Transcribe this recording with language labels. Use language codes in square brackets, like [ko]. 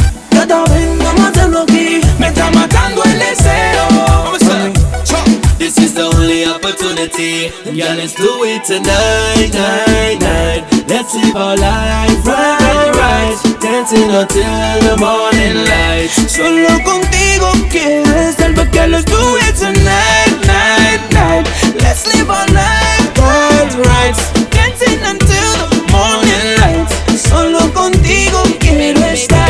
[es] Gata, ven, vamos a hacerlo aquí. Me está matando el deseo. [en] This is the only opportunity. Yeah, let's do it tonight, night, night. Let's live our life right, right. Dancing until the morning light. [es] Solo contigo quiero estar, porque [en] let's do it tonight, night, night. Let's live our life right, right. Dancing until the morning light. [es] Solo contigo quiero estar.